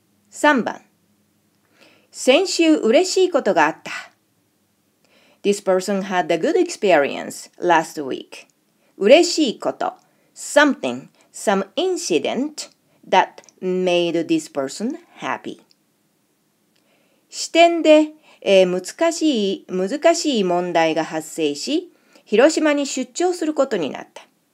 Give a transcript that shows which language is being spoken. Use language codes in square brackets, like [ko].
[ja] 3番先週嬉しいことがあった。 [en] This person had a good experience last week. [ja] 嬉しいこと。 [en] Something, some incident that made this person happy. [ja] 視点で、難しい問題が発生し、広島に出張することになった。